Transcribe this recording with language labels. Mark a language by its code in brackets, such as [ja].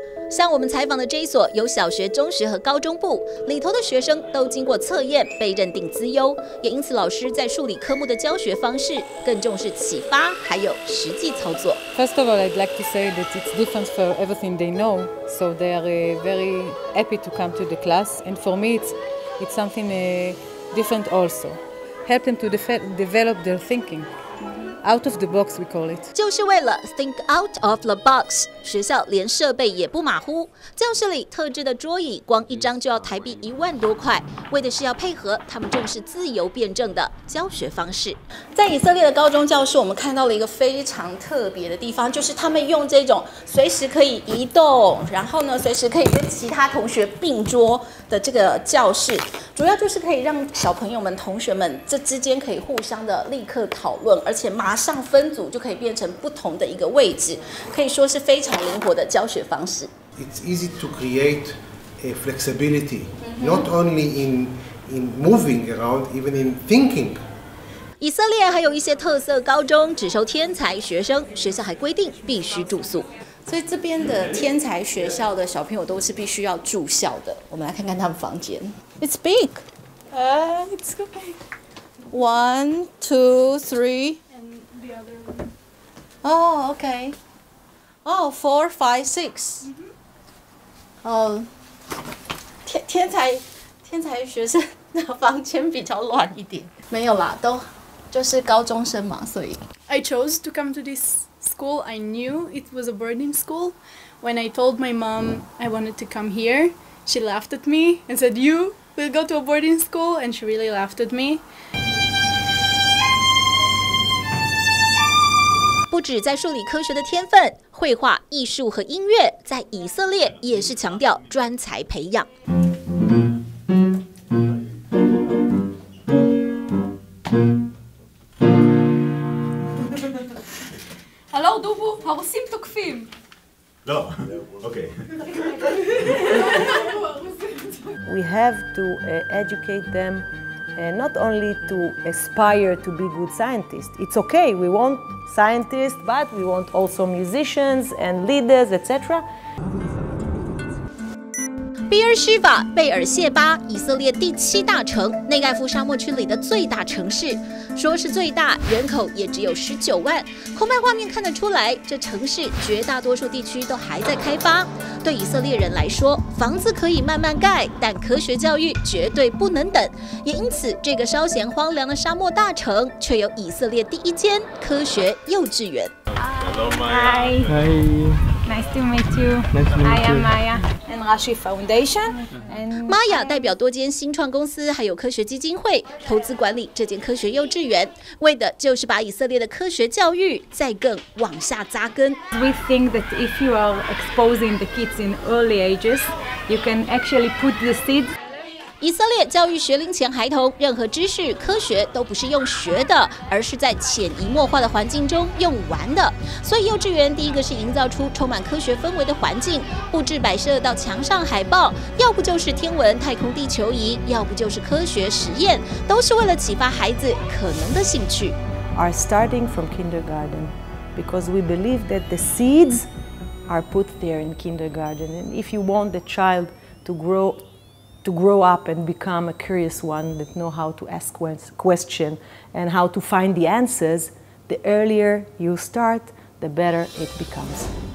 [zh] 像我们采访的这一所有小学、中学和高中部，里头的学生都经过测验被认定资优，也因此老师在数理科目的教学方式更重视启发还有实际操作。 [en] First of all, I'd like to say that it's different for everything they know, so they are very happy to come to the class. And for me, it's something different also. Help them to develop their thinking, out of the box we call it. [zh] 就是为了 [en] think out of the box. [zh] 学校连设备也不马虎，教室里特制的桌椅光一张就要台币10,000多块，为的是要配合他们重视自由辩证的教学方式。在以色列的高中教室，我们看到了一个非常特别的地方，就是他们用这种随时可以移动，然后呢，随时可以跟其他同学并桌。的这个教室主要就是可以让小朋友们同学们这之间可以互相的立刻讨论，而且马上分组就可以变成不同的一个位置，可以说是非常灵活的教学方式。 [en] It's easy to create a flexibility not only in moving around, even in thinking. [zh] 以色列还有一些特色高中只收天才学生，学校还规定必须住宿。所以这边的天才学校的小朋友都是必须要住校的。我们来看看他们房间。 [en] It's big. It's big. 1, 2, 3. And the other one. Oh, okay. Oh, 4, 5, 6. [zh] 天才学生的房间比较乱一点。没有啦，都。就是高中生嘛，所以。 [en] I chose to come to this school. I knew it was a boarding school. When I told my mom I wanted to come here, she laughed at me and said, "You will go to a boarding school," and she really laughed at me. [zh] 不止在数理科学的天分，绘画、艺术和音乐在以色列也是强调专才培养。 [en] We have to educate them not only to aspire to be good scientists. It's okay, we want scientists, but we want also musicians and leaders, etc. [zh] 比尔希法、贝尔谢巴，以色列第七大城，内盖夫沙漠区里的最大城市，说是最大，人口也只有19万。空拍画面看得出来，这城市绝大多数地区都还在开发。对以色列人来说，房子可以慢慢盖，但科学教育绝对不能等。也因此，这个稍显荒凉的沙漠大城，却有以色列第一间科学幼稚园。 [en] Hi. Hi. Nice to meet you. Nice to meet you. I am Maya. and Rashi Foundation. [zh] 玛雅代表多间新创公司，还有科学基金会投资管理这间科学幼稚园，为的就是把以色列的科学教育再更往下扎根。 [en] We think that if you are exposing the kids in early ages, you can actually put the seeds. [zh] 以色列教育学龄前孩童，任何知识、科学都不是用学的，而是在潜移默化的环境中用玩的。所以幼稚园第一个是营造出充满科学氛围的环境，布置摆设到墙上海报，要不就是天文、太空、地球仪，要不就是科学实验，都是为了启发孩子可能的兴趣。 [en] Are starting from kindergarten because we believe that the seeds are put there in kindergarten, and if you want the child to grow up and become a curious one that know how to ask question and how to find the answers, the earlier you start, the better it becomes.